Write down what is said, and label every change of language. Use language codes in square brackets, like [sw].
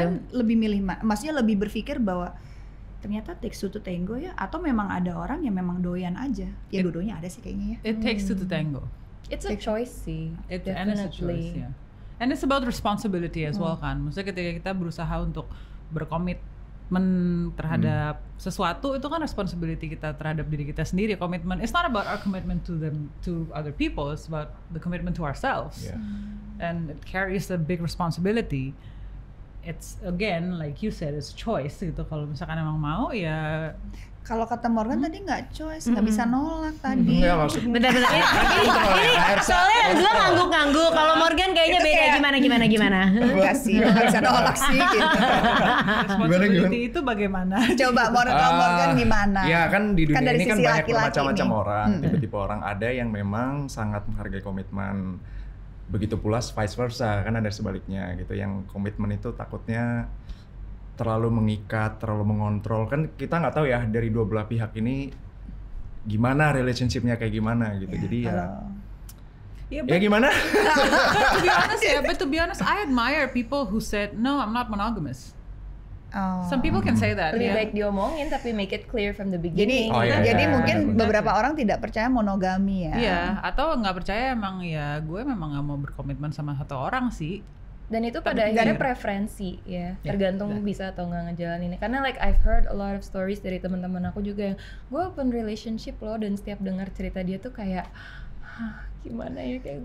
[id] Kalian lebih milih, maksudnya lebih berpikir bahwa ternyata [en] takes two to tango [id] ya, atau memang ada orang yang memang doyan aja. Ya dua-duanya ada sih kayaknya ya. [en] It takes two to tango. It's a choice [id] sih. [en] Definitely. And it's a choice, yeah. And it's about responsibility as well [id] kan. Maksudnya ketika kita berusaha untuk berkomit terhadap sesuatu, itu kan responsibility kita terhadap diri kita sendiri. [en] Komitmen, it's not about our commitment to them, to other people, it's about the commitment to ourselves. Yeah. And it carries a big responsibility. It's again like you said, it's choice [id] gitu. Kalau misalkan emang mau ya, kalau kata Morgan tadi nggak choice, nggak bisa nolak tadi. Benar-benar. Ini soalnya yang gue ngangguk-ngangguk. Kalau Morgan kayaknya beda kayak, gimana? Enggak sih, nggak bisa nolak sih. Gitu. Responsibility itu bagaimana? Coba Morgan gimana? Ya kan di dunia kan ini kan banyak macam-macam orang. Tipe-tipe orang ada yang memang sangat menghargai komitmen. Begitu pula vice versa, kan ada sebaliknya gitu. Yang komitmen itu takutnya terlalu mengikat, terlalu mengontrol. Kan kita nggak tahu ya dari dua belah pihak ini gimana relationship-nya kayak gimana gitu. Yeah, jadi ya gimana? [en] But to be honest, I admire people who said, no, I'm not monogamous. Some people can say that. [id] Lebih baik diomongin tapi [en] make it clear from the beginning. [id] Jadi mungkin beberapa orang tidak percaya monogami ya. Iya, atau nggak percaya emang ya gue memang nggak mau berkomitmen sama satu orang sih. Dan itu pada akhirnya preferensi ya, tergantung bisa atau nggak ngejalanin. Karena [en] like I've heard a lot of stories [id] dari teman-teman aku juga yang gue open relationship loh, dan setiap dengar cerita dia tuh kayak gimana ya, kayak